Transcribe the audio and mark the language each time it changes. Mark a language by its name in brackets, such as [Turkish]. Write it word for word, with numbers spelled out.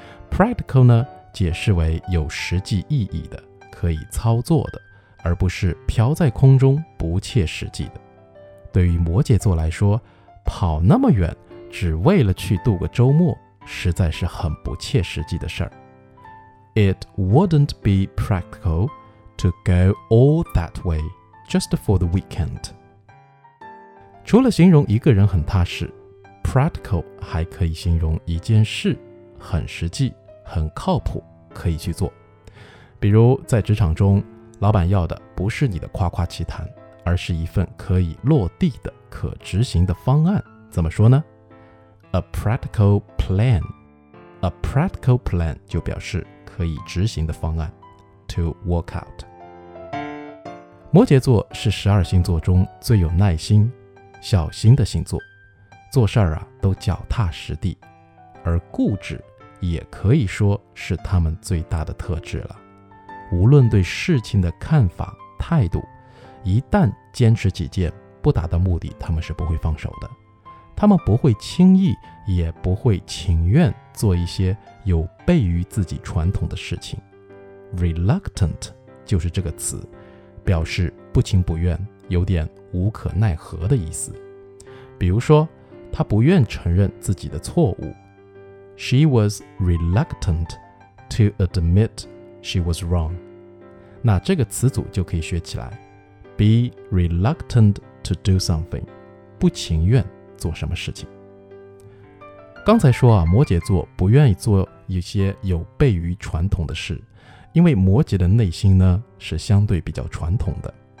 [Chinese] practical 呢，解释为有实际意义的，可以操作的，而不是飘在空中不切实际的。对于摩羯座来说，跑那么远只为了去度个周末，实在是很不切实际的事儿。 [English] It wouldn't be practical to go all that way just for the weekend。 [Chinese] 除了形容一个人很踏实，practical 还可以形容一件事很实际，很靠谱，可以去做。比如在职场中，老板要的不是你的夸夸其谈，而是一份可以落地的可执行的方案。怎么说呢？ [English] A practical plan。 A practical plan [Chinese] 就表示可以执行的方案 [English] to work out。 [Chinese] 摩羯座是十二星座中最有耐心、小心的星座，做事儿啊都脚踏实地，而固执也可以说是他们最大的特质了。无论对事情的看法、态度，一旦坚持己见，不达到目的，他们是不会放手的。他们不会轻易，也不会情愿做一些有悖于自己传统的事情。 Reluctant 就是这个词，表示不情不愿，有点无可奈何的意思。比如说，他不愿承认自己的错误。 [English] She was reluctant to admit she was wrong。 [Chinese] 那这个词组就可以学起来， [English] be reluctant to do something， [Chinese] 不情愿做什么事情。刚才说啊，摩羯座不愿意做一些有悖于传统的事，因为摩羯的内心呢是相对比较传统的。